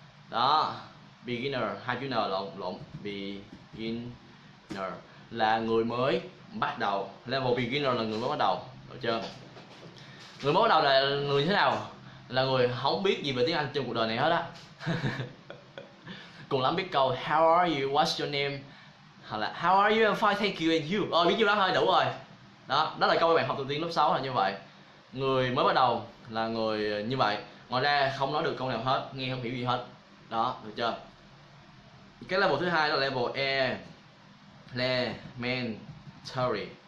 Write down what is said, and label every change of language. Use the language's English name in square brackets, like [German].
[Vietnamese] Đó, beginner, hai chữ N lộn, beginner là người mới bắt đầu, level beginner là người mới bắt đầu, được chưa? Người mới bắt đầu là người như thế nào? Là người không biết gì về tiếng Anh trong cuộc đời này hết á. Cùng lắm biết câu [English] how are you, what's your name, [Vietnamese] hoặc là [English] how are you, I'm fine, thank you, and you. [Vietnamese] Ôi, biết nhiêu đó thôi, đủ rồi. Đó, đó là câu bạn học đầu tiên lớp 6 là như vậy. Người mới bắt đầu là người như vậy. Ngoài ra không nói được câu nào hết, nghe không hiểu gì hết. Đó, được chưa? Cái level thứ hai là level elementary.